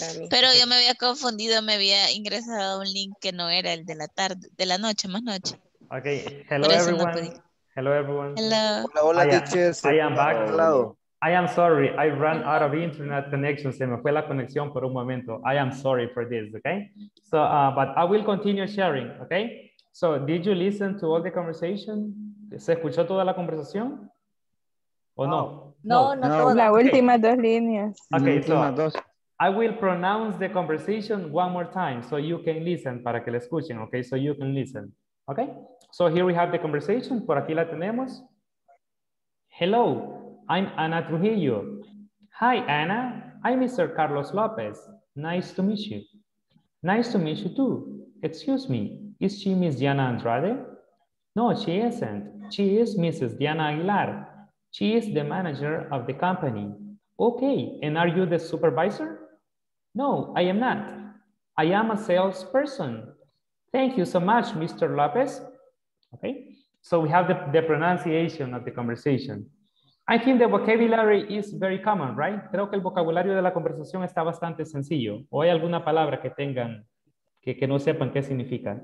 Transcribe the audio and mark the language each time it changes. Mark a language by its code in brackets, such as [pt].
[es] Pero yo me había confundido, me había ingresado a un link que no era el de la tarde, de la noche, más noche. [en] Ok, hello everyone. No, hello everyone. Hello. [es] Hola, hola. [en] I am back. I am sorry, I ran out of internet connection. [es] Se me fue la conexión por un momento. [en] I am sorry for this, okay? So, but I will continue sharing, okay? So, did you listen to all the conversation? [es] ¿Se escuchó toda la conversación? ¿O no? No, toda. La última okay. Dos líneas. [en] Okay, so I will pronounce the conversation one more time so you can listen, [es] para que la escuchen, [en] okay? So you can listen, okay? So here we have the conversation. [es] Por aquí la tenemos. [en] Hello. I'm Ana Trujillo. Hi, Ana. I'm Mr. Carlos Lopez. Nice to meet you. Nice to meet you too. Excuse me, is she Miss Diana Andrade? No, she isn't. She is Mrs. Diana Aguilar. She is the manager of the company. Okay, and are you the supervisor? No, I am not. I am a salesperson. Thank you so much, Mr. Lopez. Okay, so we have the pronunciation of the conversation. I think the vocabulary is very common, right? [es] Creo que el vocabulario de la conversación está bastante sencillo. ¿O hay alguna palabra que tengan que no sepan qué significa?